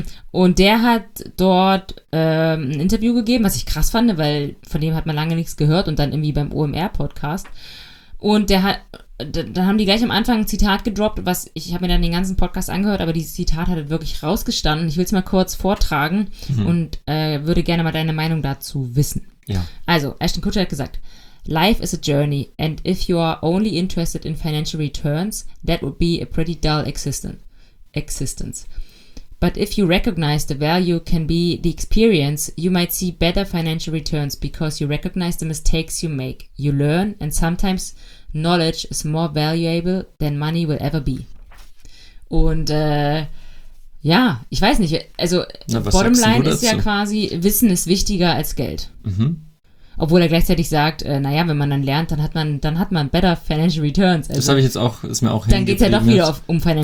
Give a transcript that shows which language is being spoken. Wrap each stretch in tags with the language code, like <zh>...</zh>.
<de>Und der hat dort ein Interview gegeben, was ich krass fand, weil von dem hat man lange nichts gehört und dann irgendwie beim OMR-Podcast. Und der hat, dann haben die gleich am Anfang ein Zitat gedroppt, was ich habe mir dann den ganzen Podcast angehört, aber dieses Zitat hat wirklich rausgestanden. Ich will es mal kurz vortragen und würde gerne mal deine Meinung dazu wissen. Ja.</de> <en>Also, Ashton Kutcher hat gesagt, "Life is a journey, and if you are only interested in financial returns, that would be a pretty dull existence. But if you recognize the value can be the experience, you might see better financial returns because you recognize the mistakes you make. You learn, and sometimes knowledge is more valuable than money will ever be."</en> <de>Und ja, ich weiß nicht, also Bottomline ist ja quasi, Wissen ist wichtiger als Geld. Mhm. Obwohl er gleichzeitig sagt, naja, wenn man dann lernt, dann hat man</de> <en>better financial returns.</en> <de>Also, das habe ich jetzt auch, ist mir auch hängen geblieben. Dann geht es ja doch wieder um financial</de>